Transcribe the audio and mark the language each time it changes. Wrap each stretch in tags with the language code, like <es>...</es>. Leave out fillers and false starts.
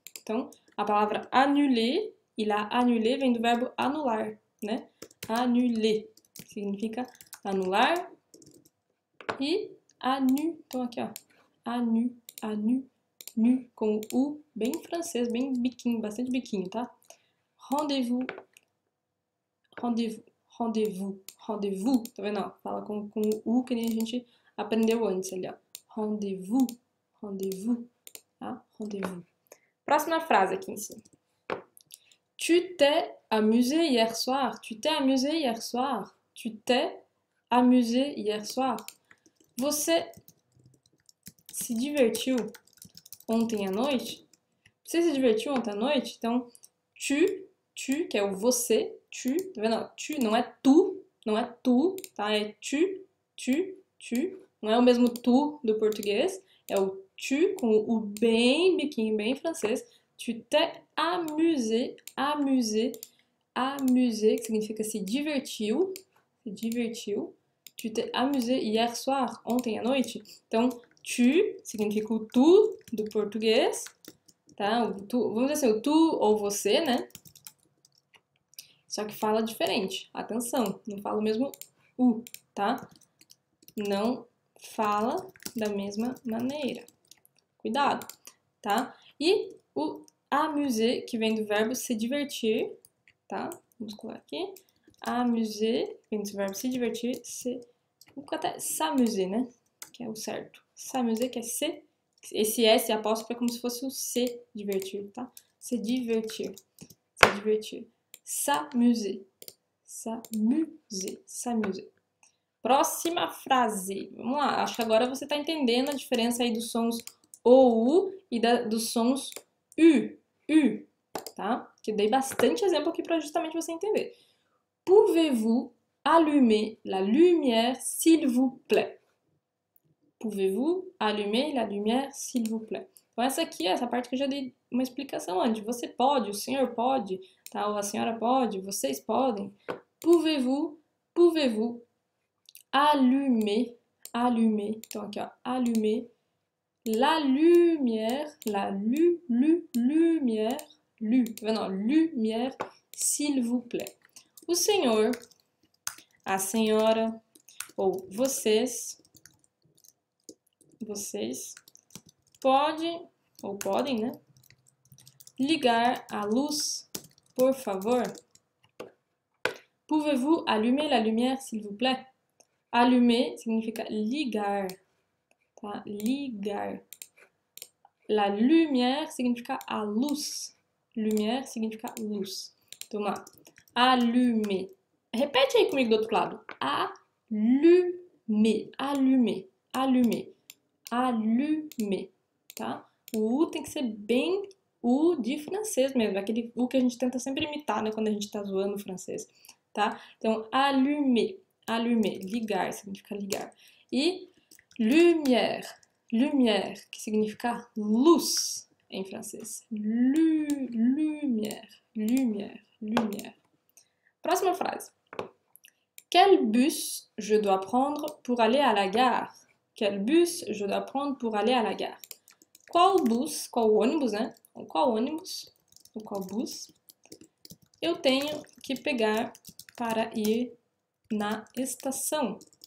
<pt>Então, a palavra annulé. Il a annulé vem do verbo anular, né? Annulé. significa anular e anu. Então aqui ó, anu, anu, nu, com o U bem francês, bem biquinho, bastante biquinho, tá?</pt> <fr>Rendez-vous, rendez-vous, rendez-vous, tá vendo?</fr> <pt>Ó, fala com o U que nem a gente aprendeu antes ali, ó.</pt> <fr>Rendez-vous, rendez-vous, tá? Rendez-vous.</fr> <pt>Próxima frase aqui em cima.</pt> <fr>Tu t'es amusé hier soir. Tu t'es amusé hier soir. Tu t'es amusé hier soir.</fr> <pt>Você se divertiu ontem à noite? Você se divertiu ontem à noite? Então, tu, que é o você, tu, tá vendo? Tu não é tu, não é tu, tá? É tu, não é o mesmo tu do português, é o tu com o bem biquinho, bem francês.</pt> <fr>Tu t'es amusé, amusé, amusé,</fr> <pt>que significa se divertiu,</pt> <fr>tu t'es amusé hier soir,</fr> <pt>ontem à noite. Então, tu significa o tu do português, tá? O tu, vamos dizer assim, o tu ou você, né? Só que fala diferente, atenção, não fala o mesmo u, tá? Não fala da mesma maneira, cuidado, tá? E o amuser, que vem do verbo se divertir, tá? Vamos colocar aqui. Amuser, vem do verbo se divertir, se. Vou colocar até s'amuser, né? Que é o certo. S'amuser, que é se. Esse S apóstrofo é como se fosse o se divertir, tá? Se divertir. Se divertir. S'amuser. S'amuser. S'amuser. Próxima frase. Vamos lá. Acho que agora você está entendendo a diferença aí dos sons OU e dos sons U. Tá? Que dei bastante exemplo aqui para justamente você entender.</pt> <fr>Pouvez-vous allumer la lumière, s'il vous plaît? Pouvez-vous allumer la lumière, s'il vous plaît?</fr> <pt>Então, essa aqui é essa parte que eu já dei uma explicação antes. Você pode, o senhor pode, tá? Ou a senhora pode, vocês podem.</pt> <fr>Pouvez-vous allumer, allumer.</fr> <pt>Então, aqui, ó,</pt> <fr>allumer. La lumière, la lumière, lu, não, lumière, s'il vous plaît.</fr> <pt>O senhor, a senhora, ou vocês, podem, ou podem, né, ligar a luz, por favor?</pt> <fr>Pouvez-vous allumer la lumière, s'il vous plaît?</fr> <pt>Allumer significa ligar, tá? Ligar. La lumière significa a luz. Lumière significa luz. Então, lá. Allumer. Repete aí comigo do outro lado.</pt> <fr>Allumer. Allumer. Allumer. Tá?</fr> <pt>O U tem que ser bem U de francês mesmo. Aquele U que a gente tenta sempre imitar, né? Quando a gente tá zoando o francês. Tá? Então, allumer. Allumer. Ligar significa ligar. E lumière. Lumière, que significa luz em francês.</pt> <fr>Lumière, lumière, lumière.</fr> <pt>Próxima frase.</pt> <fr>Quel bus je dois prendre pour aller à la gare? Quel bus je dois prendre pour aller à la gare?</fr> <pt>Qual bus, qual ônibus, né? Qual ônibus, ou qual bus eu tenho que pegar para ir na estação?</pt>